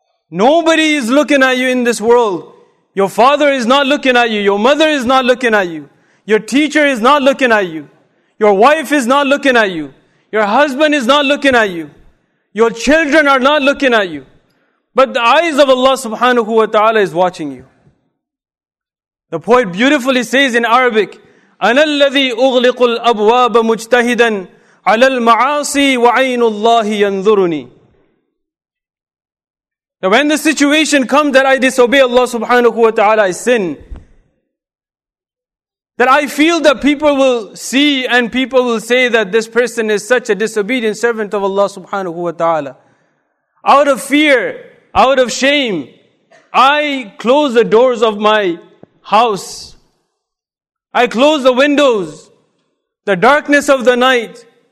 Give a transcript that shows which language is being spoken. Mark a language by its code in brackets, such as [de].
[en] Nobody is looking at you in this world. Your father is not looking at you. Your mother is not looking at you. Your teacher is not looking at you. Your wife is not looking at you. Your husband is not looking at you. Your children are not looking at you. But the eyes of Allah subhanahu wa ta'ala is watching you. The poet beautifully says in Arabic, [ar] أنا الذي أغلق الأبواب مجتهدا على المعاصي وعين الله ينظرني. [en] Now when the situation comes that I disobey Allah subhanahu wa ta'ala, I sin, that I feel that people will see and people will say that this person is such a disobedient servant of Allah subhanahu wa ta'ala, out of fear, out of shame, I close the doors of my house, I close the windows, the darkness of the night.